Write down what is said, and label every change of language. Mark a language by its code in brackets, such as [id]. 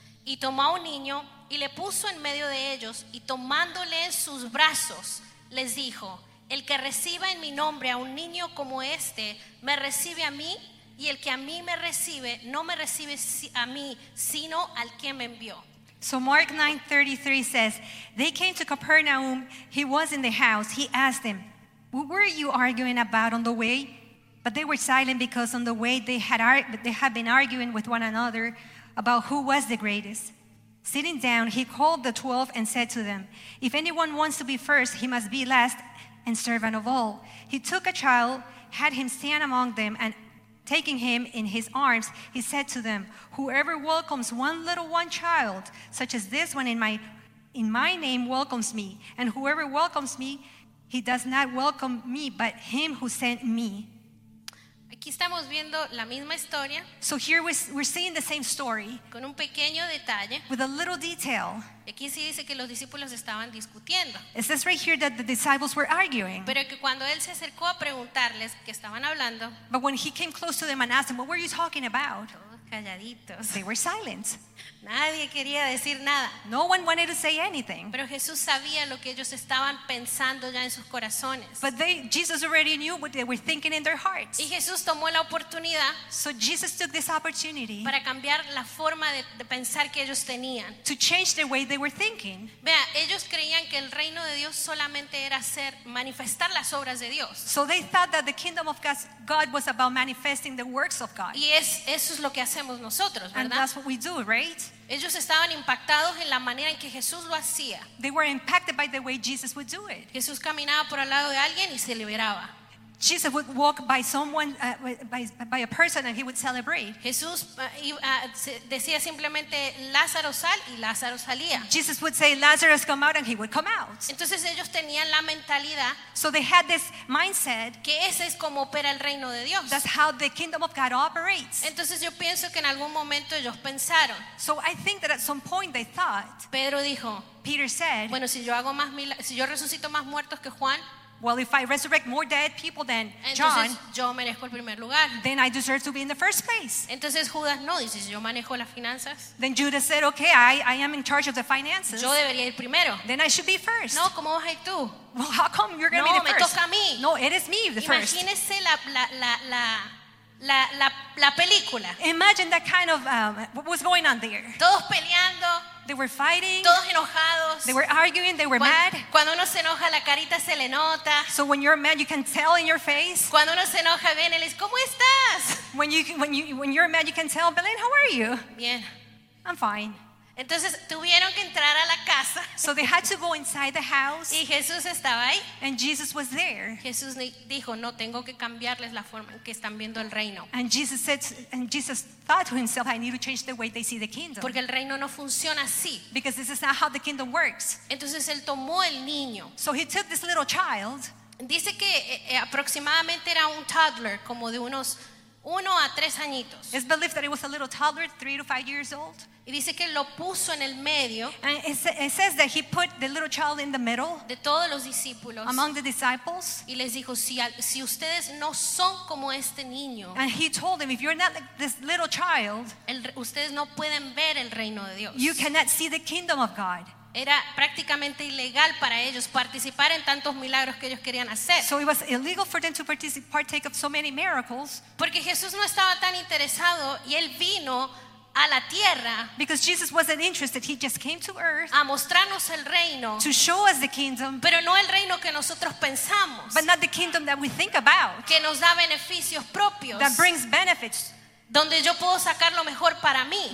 [es] Y tomó a un niño y le puso en medio de ellos, y tomándole en sus brazos les dijo, el que reciba en mi nombre a un niño como este me recibe a mí, y el que a mí me recibe no me recibe a mí, sino al que me envió. [en] So Mark 9:33 says, they came to Capernaum. He was in the house. He asked them, what were you arguing about on the way? But they were silent because on the way they had been arguing with one another about who was the greatest. Sitting down, he called the 12 and said to them, if anyone wants to be first, he must be last and servant of all. He took a child, had him stand among them, and taking him in his arms, he said to them, whoever welcomes one little one child, such as this one in my name welcomes me, and whoever welcomes me, he does not welcome me, but him who sent me. [es] Aquí estamos viendo la misma historia. [en] So here we're seeing the same story. [es] Con un pequeño detalle. [en] With a little detail. [es] Aquí sí dice que los discípulos estaban discutiendo. [en] It says right here that the disciples were arguing. [es] Pero que cuando él se acercó a preguntarles qué estaban hablando. [en] But when he came close to them and asked them, what were you talking about? [es] Todos calladitos. [en] They were silent. [es] Nadie quería decir nada. [en] No one wanted to say anything. [es] Pero Jesús sabía lo que ellos estaban pensando ya en sus corazones. [en] But Jesus already knew what they were thinking in their hearts. [es] Y Jesús tomó la oportunidad. [en] So Jesus took this opportunity. [es] Para cambiar la forma de pensar que ellos tenían. [en] To change the way they were thinking. [es] Vea, ellos creían que el reino de Dios solamente era hacer manifestar las obras de Dios. [en] So they thought that the kingdom of God was about manifesting the works of God. [es] Y eso es lo que hacemos nosotros, ¿verdad? [en] And that's what we do, right? [es] Ellos estaban impactados en la manera en que Jesús lo hacía. [en] They were impacted by the way Jesus would do it. [es] Jesús caminaba por al lado de alguien y se liberaba. [en] Jesus would walk by someone by a person and he would celebrate. [es] Jesús decía simplemente Lázaro sal y Lázaro salía. [en] Jesus would say Lazarus come out and he would come out. [es] Entonces ellos tenían la mentalidad. [en] So they had this mindset. [es] Que ese es como opera el reino de Dios. [en] That's how the kingdom of God operates. [es] Entonces yo pienso que en algún momento ellos pensaron. [en] So I think that at some point they thought. [es] Pedro dijo. [en] Peter said. [es] Bueno, si yo resucito más muertos que Juan. [en] well, if I resurrect more dead people than [es] entonces, [en] John, [es] yo merezco el primer lugar. [en] Then I deserve to be in the first place. [es] Entonces, Judas, no, dice, yo manejo las finanzas. [en] Then Judas said, okay, I am in charge of the finances. [es] Yo debería ir primero. [en] Then I should be first. [es] No, ¿cómo vas a ir tú? [en] Well, how come you're going to [es] no, [en] be the [es] me [en] first? [es] Toca a mí. [en] No, it is me, the [es] imagínese [en] first. [es] La película. [en] Imagine that kind of what was going on there. [es] Todos peleando. [en] They were fighting. [es] Todos enojados. [en] They were arguing. They were [es] cuando, [en] mad. [es] Cuando uno se enoja, la carita se le nota. [en] So when you're mad, you can tell in your face. [es] Cuando uno se enoja, ven, él es, ¿cómo estás? [en] When you're mad, you can tell. Belén, how are you? [es] Bien. [en] I'm fine. [es] Entonces tuvieron que entrar a la casa. [en] So they had to go inside the house. [es] Y Jesús estaba ahí. [en] And Jesus was there. [es] Jesús dijo, no, tengo que cambiarles la forma en que están viendo el reino. [en] And Jesus said, and Jesus thought to himself, I need to change the way they see the kingdom. [es] Porque el reino no funciona así. [en] Because this is not how the kingdom works. [es] Entonces él tomó el niño. [en] So he took this little child. [es] Dice que aproximadamente era un toddler, como de unos 1 a 3 añitos. [en] It's believed that it was a little toddler, 3 to 5 years old. [es] Y dice que lo puso en el medio. [en] And it says that he put the little child in the middle. [es] De todos los discípulos. [en] Among the disciples. [es] Y les dijo, si ustedes no son como este niño. [en] And he told them, if you're not like this little child. [es] Ustedes no pueden ver el reino de Dios. [en] You cannot see the kingdom of God. [es] Era prácticamente ilegal para ellos participar en tantos milagros que ellos querían hacer. [en] So it was illegal for them to partake of so many miracles. [es] Porque Jesús no estaba tan interesado y él vino a la tierra. [en] Because Jesus wasn't interested, he just came to earth. [es] A mostrarnos el reino. [en] To show us the kingdom. [es] Pero no el reino que nosotros pensamos. [en] But not the kingdom that we think about. [es] Que nos da beneficios propios. [en] That brings benefits. [es] Donde yo puedo sacar lo mejor para mí.